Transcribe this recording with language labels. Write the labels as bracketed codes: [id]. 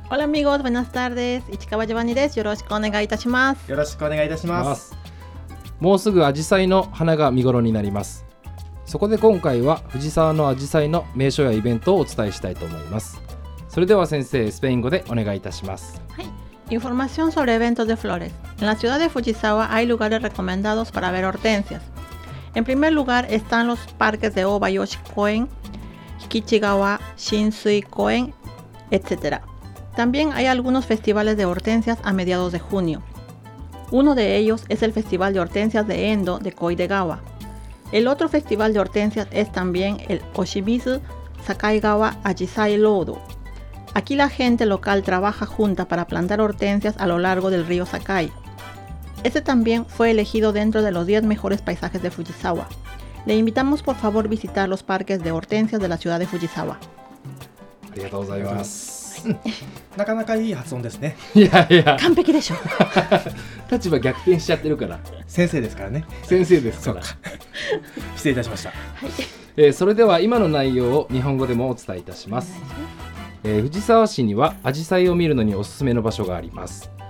[es] オラミゴスベナスタール [ja] です。市川ジョバンニです。よろしくお願いいたします。よろしくお願いいたします。もうすぐアジサイの花が見頃になります。そこで今回は藤沢のアジサイの名所やイベントをお伝えしたいと思います。それでは先生、スペイン語でお願いいたします。 [es] はい、Información sobre eventos de flores. En la ciudad de Fujisawa hay lugares recomendados para ver hortensias. En primer lugar están los parques de Obayoshi Koen, Hikichigawa, Shinsui Koen, etc. También hay algunos festivales de hortensias a mediados de junio. Uno de ellos es el Festival de Hortensias de Endo de Koidegawa. El otro festival de hortensias es también el Oshimizu Sakaigawa Ajisai Lodo. Aquí la gente local trabaja junta para plantar hortensias a lo largo del río Sakai. Este también fue elegido dentro de los 10 mejores paisajes de Fujisawa. Le invitamos por favor visitar los parques de hortensias de la ciudad de Fujisawa. [ja] ありがとうございます。なかなかいい発音ですね。いやいや。完璧でしょ。立場逆転しちゃってるから。先生ですからね。先生ですから。そうか。失礼いたしました。はい。それでは今の内容を日本語でもお伝えいたします。藤沢市にはアジサイを見るのにおすすめの場所があります。